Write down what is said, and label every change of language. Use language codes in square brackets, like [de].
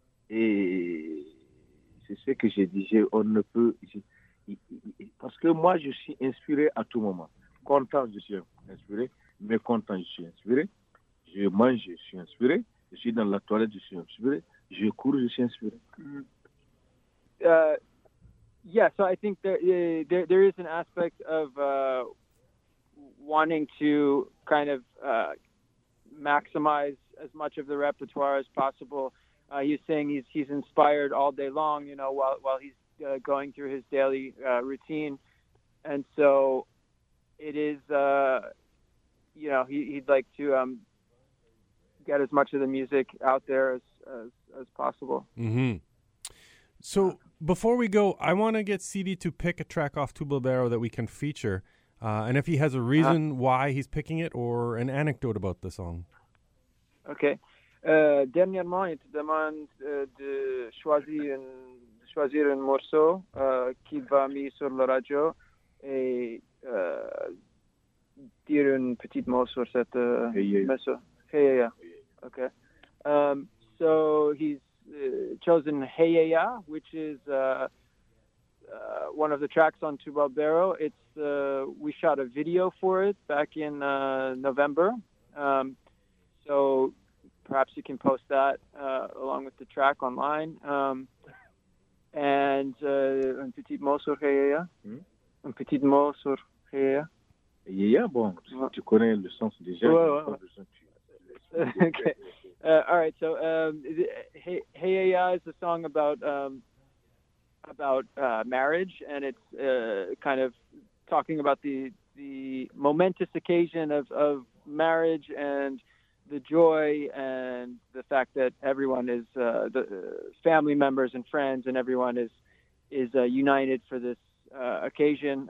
[fr] Et c'est ce que je disais, on ne peut parce que moi je suis inspiré à tout moment. Content je suis inspiré, mécontent je suis inspiré, je mange je suis inspiré, je suis dans la toilette je suis inspiré, je cours je suis inspiré. [en] Yeah, so I think there is an aspect of wanting to kind of maximize as much of the repertoire as possible. He's saying he's inspired all day long, you know, while he's going through his daily routine. And so it is, you know, he'd like to get as much of the music out there as possible. Mm-hmm. So... Before we go, I want to get CD to pick a track off Tu Bolero that we can feature, and if he has a reason why he's picking it or an anecdote about the song. Okay. [fr] Dernièrement, il te demande de choisir un morceau qui va mis sur la radio et dire un petit mot sur cette morceau. [en] Hey, yeah, yeah. Okay. So he's chosen Hey Yeah Yeah, which is one of the tracks on Tu Bolero. It's we shot a video for it back in November, so perhaps you can post that along with the track online. [fr] And un petit mot sur Hey Yeah Yeah. Un petit mot sur Hey Yeah Yeah. Yeah Yeah, bon, tu connais le sens déjà. [en] Okay. All right, so Hey Yeah Yeah is a song about marriage, and it's kind of talking about the momentous occasion of marriage and the joy and the fact that everyone is the family members and friends and everyone is united for this occasion.